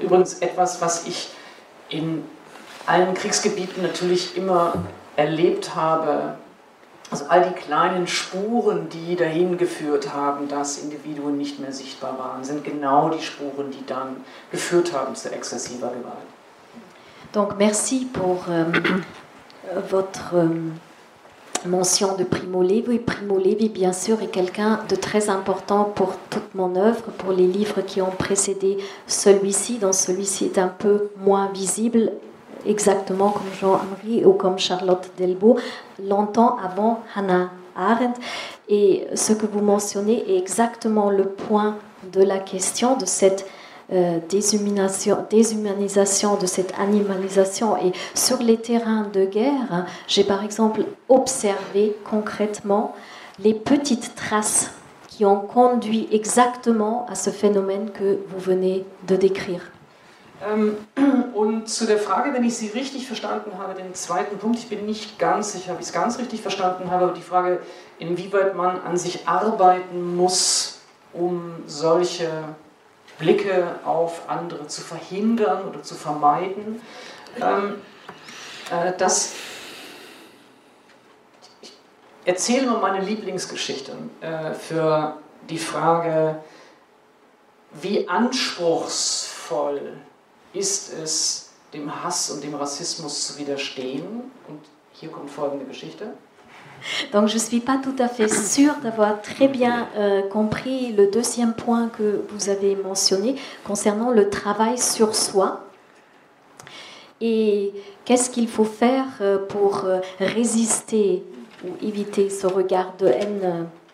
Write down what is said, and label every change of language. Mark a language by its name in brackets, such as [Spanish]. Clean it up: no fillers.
[German] Übrigens etwas, was ich in allen Kriegsgebieten natürlich immer erlebt habe. Also all die kleinen Spuren, die dahin geführt haben, dass Individuen nicht mehr sichtbar waren, sind genau die Spuren, die dann geführt haben zu exzessiver Gewalt. [French] Donc merci pour votre mention de Primo Levi. Primo Levi, bien sûr, est quelqu'un de très important pour toute mon œuvre, pour les livres qui ont précédé celui-ci. Dans celui-ci, est un peu moins visible. Exactement comme Jean-Henri ou comme Charlotte Delbault, longtemps avant Hannah Arendt. Et ce que vous mentionnez est exactement le point de la question de cette déshumanisation, de cette animalisation. Et sur les terrains de guerre, j'ai par exemple observé concrètement les petites traces qui ont conduit exactement à ce phénomène que vous venez de décrire. [German] Und zu der Frage, wenn ich Sie richtig verstanden habe, den zweiten Punkt, ich bin nicht ganz sicher, ob ich es ganz richtig verstanden habe, aber die Frage, inwieweit man an sich arbeiten muss, um solche Blicke auf andere zu verhindern oder zu vermeiden, das ich erzähle mal meine Lieblingsgeschichte für die Frage, wie anspruchsvoll ist es, dem Hass und dem Rassismus zu widerstehen? Und hier kommt folgende Geschichte. [French] Donc je suis pas tout à fait sûre d'avoir très bien compris le deuxième point que vous avez mentionné concernant le travail sur soi. Et qu'est-ce qu'il faut faire pour résister ou éviter ce regard de haine?